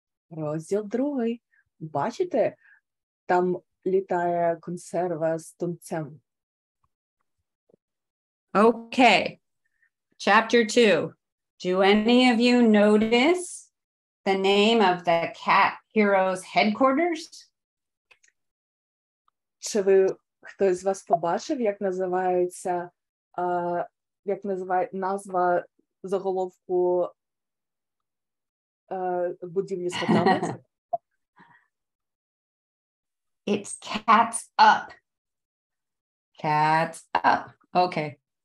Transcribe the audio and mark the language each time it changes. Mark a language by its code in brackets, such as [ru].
[uk] Розділ другий. Бачите, там літає консерва з тунцем. [en] Okay. Chapter 2. Do any of you notice the name of the cat hero's headquarters? [uk] Чи ви хтось з вас побачив, як називається як називає назва заголовку будівлі спецназу? [en] It's cats up. Cats up. Okay.